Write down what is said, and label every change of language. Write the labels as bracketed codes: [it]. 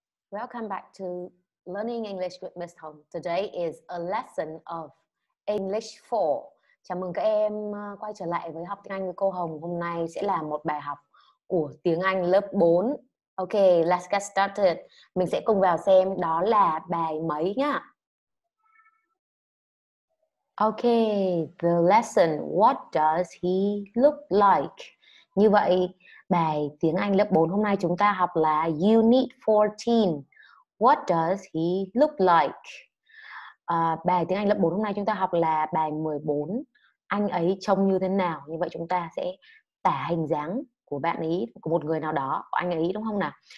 [en] Welcome back to Learning English with Miss Hong. Today is a lesson of English 4. [vi] Chào mừng các em quay trở lại với học tiếng Anh với cô Hồng. Hôm nay sẽ là một bài học của tiếng Anh lớp 4. [en] Ok, let's get started. [vi] Mình sẽ cùng vào xem đó là bài mấy nhá. [en] Ok, the lesson, what does he look like? [vi] Như vậy, bài tiếng Anh lớp 4 hôm nay chúng ta học là Unit 14. [en] What does he look like? [vi] Bài tiếng Anh lớp 4 hôm nay chúng ta học là bài 14. Anh ấy trông như thế nào? Như vậy chúng ta sẽ tả hình dáng của bạn ấy, của một người nào đó, của anh ấy, đúng không nào?